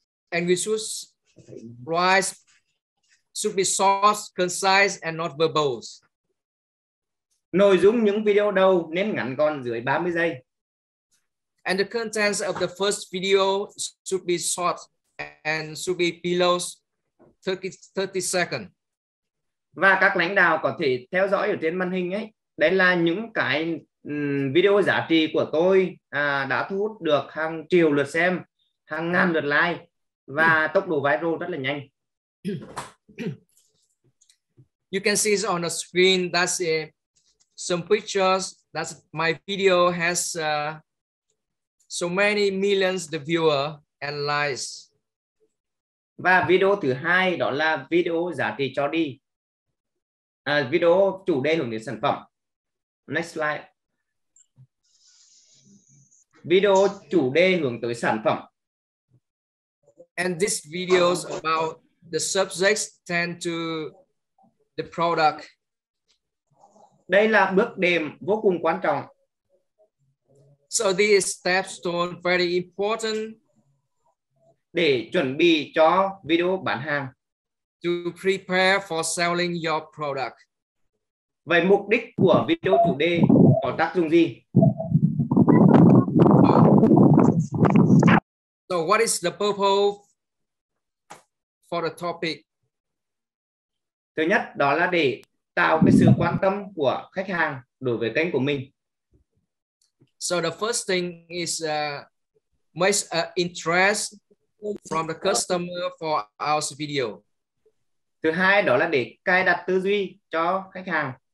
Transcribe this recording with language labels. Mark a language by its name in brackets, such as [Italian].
[English] And we should write, should be short, concise and not verbose. [Vietnamese] Nội dung những video đầu nên ngắn gọn dưới 30 giây. [English] And the contents of the first video should be short and should be below 30 seconds. [Vietnamese] Và các lãnh đạo có thể theo dõi ở trên màn hình ấy. Đây là những cái video giá trị của tôi đã thu hút được hàng triệu lượt xem, hàng ngàn lượt like và tốc độ viral rất là nhanh. [English] You can see it on the screen. That's it. Some pictures that my video has so many millions the viewer and likes. [Vietnamese] Và video thứ hai đó là video giá trị cho đi. Video chủ đề hướng đến sản phẩm. [English] Next slide. [Vietnamese] Video chủ đề hướng tới sản phẩm. [English] And this video is about the subjects tend to the product. [Vietnamese] Đây là bước đệm vô cùng quan trọng. [English] So this is step stone, very important [Vietnamese] để chuẩn bị cho video bán hàng. [English] To prepare for selling your product. [Vietnamese] Vậy mục đích của video chủ đề có tác dụng gì? [English] So what is the purpose for the topic? [Vietnamese] Thứ nhất, đó là để tạo cái sự quan tâm của khách hàng đối với kênh của mình. [English] So the first thing is make an interest from the customer for our video. [Vietnamese] Thứ hai, đó là để cài đặt tư duy cho khách hàng.